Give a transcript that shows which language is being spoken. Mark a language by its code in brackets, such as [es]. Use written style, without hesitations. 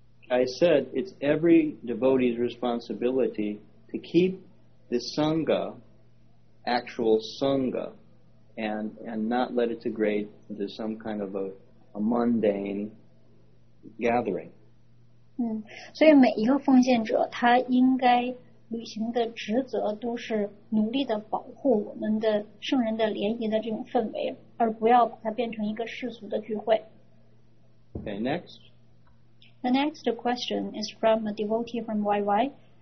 [en] I said it's every devotee's responsibility to keep the Sangha, actual Sangha, and not let it degrade into some kind of a mundane gathering. [zh] 所以每一个奉献者他应该履行的职责都是努力地保护我们的圣人的联谊的这种氛围, 而不要把它变成一个世俗的聚会。 [en] Okay, next. The next question is from a devotee from YY.